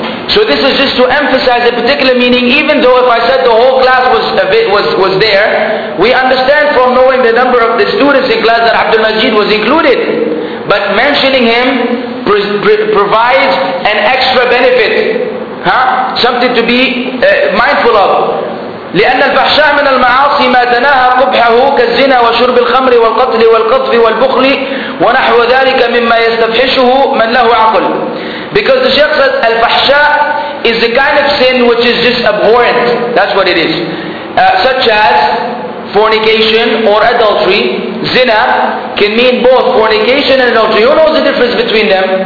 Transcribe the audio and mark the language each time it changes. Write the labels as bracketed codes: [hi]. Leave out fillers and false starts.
[en] So this is just to emphasize a particular meaning, even though if I said the whole class was there, we understand from knowing the number of the students in class that Abdul Majid was included. But mentioning him provides an extra benefit, huh? Something to be mindful of. [ar] لأن الفحشاء من المعاصي ما تناهى قبحه كالزنا وشرب الخمر والقتل والقذف والبخل ونحو ذلك مما يستفحشه من له عقل. [en] Because the Shaykh said الفحشاء is the kind of sin which is just abhorrent. That's what it is. Such as fornication or adultery. Zina can mean both fornication and adultery. Who knows the difference between them?